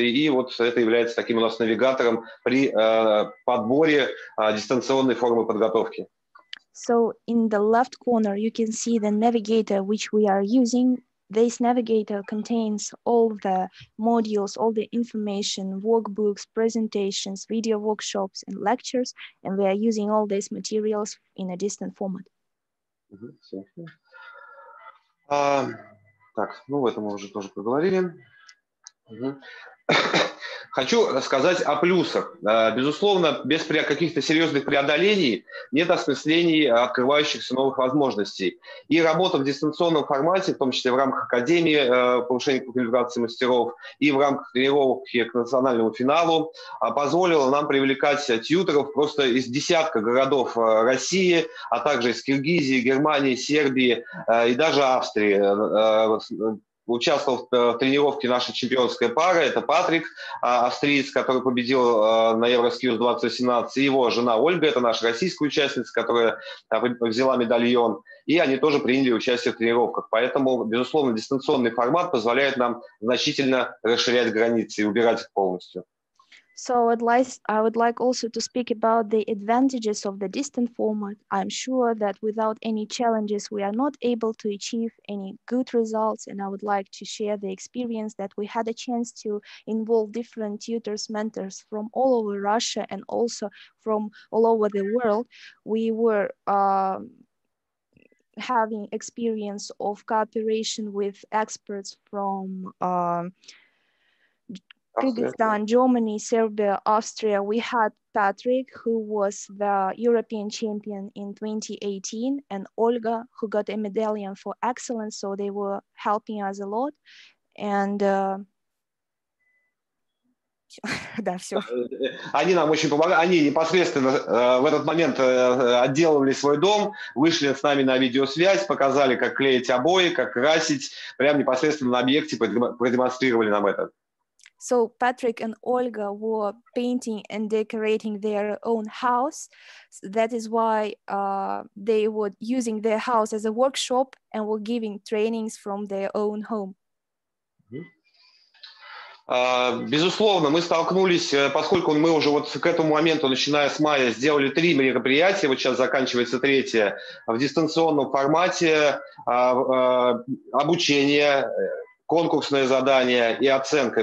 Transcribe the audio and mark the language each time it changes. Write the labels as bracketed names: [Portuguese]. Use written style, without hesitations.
[Russian] И вот это является таким у нас навигатором при подборе дистанционной формы подготовки. [English] So in the left corner you can see the navigator, which we are using. This navigator contains all the modules, all the information, workbooks, presentations, video workshops, and lectures, and we are using all these materials in a distant format. [Russian] Так, ну, в этом мы уже тоже поговорили. Хочу сказать о плюсах. Безусловно, без каких-то серьезных преодолений нет осмыслений открывающихся новых возможностей. И работа в дистанционном формате, в том числе в рамках Академии повышения квалификации мастеров и в рамках тренировки к национальному финалу, позволила нам привлекать тьюторов просто из десятка городов России, а также из Киргизии, Германии, Сербии и даже Австрии. Участвовал в тренировке наша чемпионская пара, это Патрик, австриец, который победил на Евроскиллз 2017, и его жена Ольга, это наша российская участница, которая взяла медальон, и они тоже приняли участие в тренировках. Поэтому, безусловно, дистанционный формат позволяет нам значительно расширять границы и убирать их полностью. [English] So I would like also to speak about the advantages of the distant format. I'm sure that without any challenges, we are not able to achieve any good results. And I would like to share the experience that we had a chance to involve different tutors, mentors from all over Russia and also from all over the world. We were having experience of cooperation with experts from Kyrgyzstan, Germany, Serbia, Austria. We had Patrick, who was the European champion in 2018, and Olga, who got a medallion for excellence. So they were helping us a lot. And [Russian] да, все. Они нам очень помогали. Они непосредственно в этот момент отделывали свой дом, вышли с нами на видеосвязь, показали, как клеить обои, как красить. Прямо непосредственно на объекте продемонстрировали нам это. [English] So Patrick and Olga were painting and decorating their own house. That is why they were using their house as a workshop and were giving trainings from their own home. [Russian] Безусловно, мы столкнулись, поскольку мы уже вот к этому моменту, начиная с мая, сделали три мероприятия, вот сейчас заканчивается третье, в дистанционном формате, обучение, конкурсное задание и оценка.